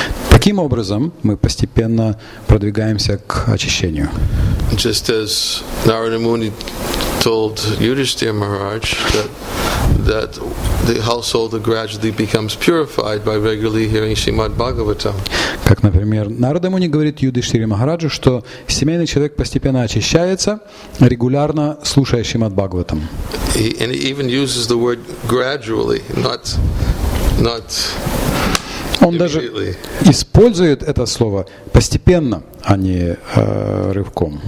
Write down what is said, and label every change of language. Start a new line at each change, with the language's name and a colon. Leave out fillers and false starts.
Russian: Таким образом, мы постепенно продвигаемся к очищению.
English: Just as Narada Muni told Yudhishthira Maharaj that that the household gradually becomes purified by regularly hearing Srimad Bhagavatam.
Russian: Как, например, Нарада Муни говорит Юдиштхире Махараджу, что семейный человек постепенно очищается, регулярно слушая Шримад Бхагаватам.
English: And he even uses the word gradually, not
Russian: Он даже использует это слово постепенно, а не рывком.